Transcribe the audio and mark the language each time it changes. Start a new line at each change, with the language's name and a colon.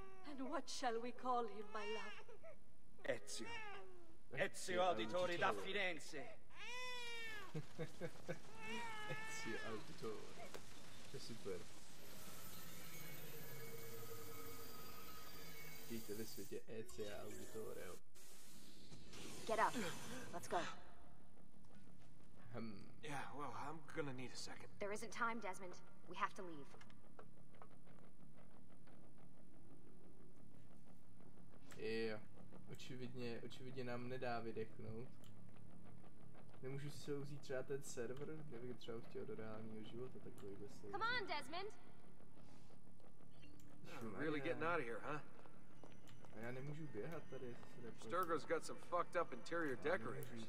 English: And what shall we call him, my love? Ezio. Ezio Auditore da Firenze.
Czech: Ezio Auditore. To je super. Dějte ve světě Ezio Auditore.
English: Get up. Let's go. Yeah, well, I'm gonna need a second. There isn't time, Desmond. We have to leave.
Czech: Jo, očividně nám nedá vydechnout. Nemůžu si vzít třeba ten server, kdybych třeba chtěl do reálního života takový věc.
English: Come on, Desmond. Really getting out of here, huh?
Czech: A já nemůžu běhat tady.
English: Sturgo's got some fucked up interior decorators.